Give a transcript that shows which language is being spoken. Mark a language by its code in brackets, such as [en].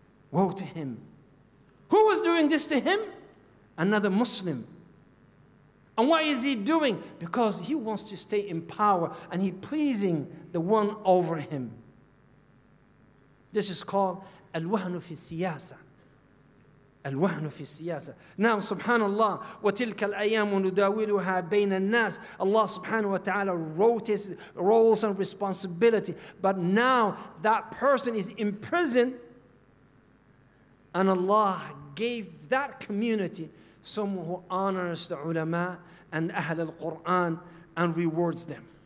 [en] Woe to him. Who was doing this to him? Another Muslim. And what is he doing? Because he wants to stay in power and he's pleasing the one over him. This is called al-wahnu fi siyasa. [ar] الوهن في السياسة. نعم سبحان الله وتلك الأيام نداولها بين الناس. [en] Allah subhanahu wa ta'ala wrote his roles and responsibility. But now that person is in prison, and Allah gave that community some who honors the ulama and Ahl al-Quran and rewards them.